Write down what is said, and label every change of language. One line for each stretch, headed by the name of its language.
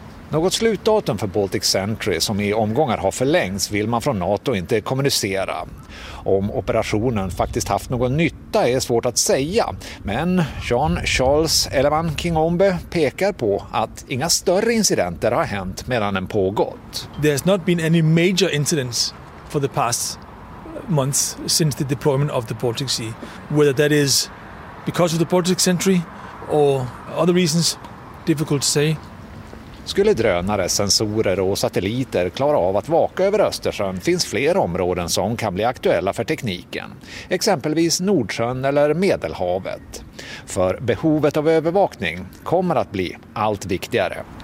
Swedish: Något slutdatum för Baltic Sentry som i omgångar har förlängts vill man från NATO inte kommunicera. Om operationen faktiskt haft någon nytta är svårt att säga. Men Jean-Charles Ellerman-Kingombe pekar på att inga större incidenter har hänt medan den pågått.
English: There has not been any major incidents for the past months since the deployment of the Baltic Sea. Whether that is because of the Baltic Sentry or other reasons, difficult to say.
Swedish: Skulle drönare, sensorer och satelliter klara av att vaka över Östersjön finns fler områden som kan bli aktuella för tekniken. Exempelvis Nordsjön eller Medelhavet. För behovet av övervakning kommer att bli allt viktigare.